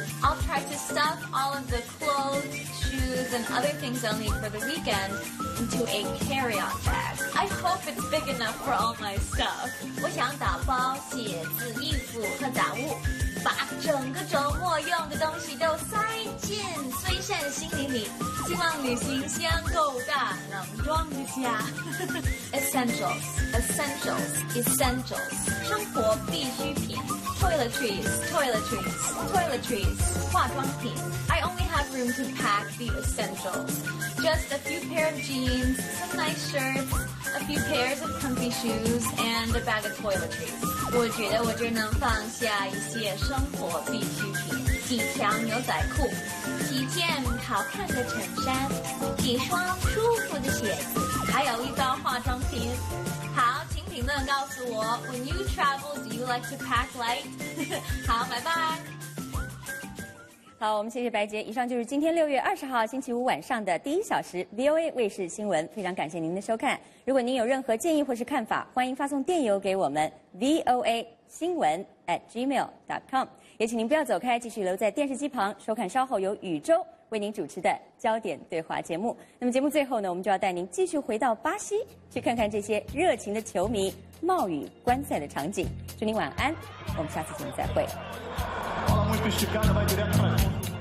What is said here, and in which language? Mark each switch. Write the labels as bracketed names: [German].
[English] I'll try to stuff all of the clothes, shoes, and other things I'll need for the weekend into a carry-on bag. I hope it's big enough for all my stuff. [Chinese] 我想打包鞋子、衣服和杂物，把整个周末用的东西都塞进随身行李里。希望旅行箱够大，能装得下。 [English] Essentials. [Chinese] 生活必需品。 [English] Toiletries, [Chinese] 化妆品。 [English] I only have room to pack the essentials. Just a few pair of jeans, some nice shirts, a few pairs of comfy shoes, and a bag of toiletries. [Chinese] 我觉得我只能放下一些生活必需品，几条牛仔裤，几件好看的衬衫，几双舒服的鞋子，还有一包化妆品。好，请评论告诉我 [English] ，When you travel, do you like to pack light? [Chinese] 好，拜拜。好，我们谢谢白杰。以上就是今天6月20号星期五晚上的第一小时 VOA 卫视新闻。非常感谢您的收看。如果您有任何建议或是看法，欢迎发送电邮给我们 voa.gmail.com。也请您不要走开，继续留在电视机旁收看稍后由宇宙为您主持的焦点对话节目。那么节目最后呢，我们就要带您继续回到巴西，去看看这些热情的球迷冒雨观赛的场景。祝您晚安，我们下次节目再会。 помочь пешеходам обойти ряд проходов.